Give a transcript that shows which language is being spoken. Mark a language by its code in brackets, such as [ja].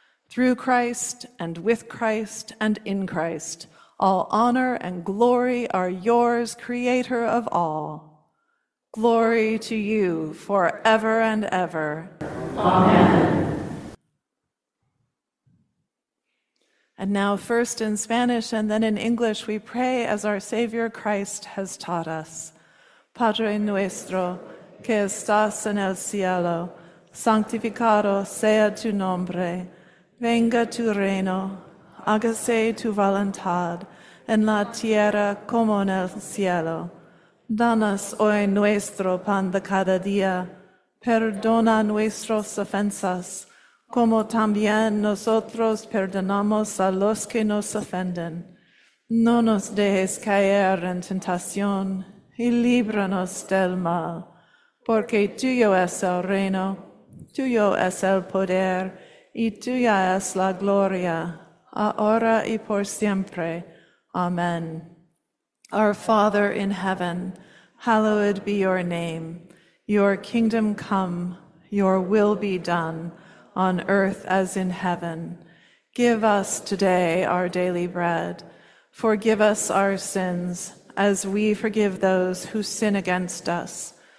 [en] Through Christ, and with Christ, and in Christ, all honor and glory are yours, Creator of all. Glory to you forever and ever. Amen. And now, first in Spanish and then in English, we pray as our Savior Christ has taught us. [es] Padre nuestro, que estás en el cielo, santificado sea tu nombre, venga tu reino, hágase tu voluntad, en la tierra como en el cielo. Danos hoy nuestro pan de cada día, perdona nuestras ofensas, como también nosotros perdonamos a los que nos ofenden. No nos dejes caer en tentación, y líbranos del mal, porque tuyo es el reino, tuyo es el poder, y tuya es la gloria, ahora y por siempre. Amen. [en] Our Father in heaven, hallowed be your name. Your kingdom come, your will be done, on earth as in heaven. Give us today our daily bread. Forgive us our sins, as we forgive those who sin against us.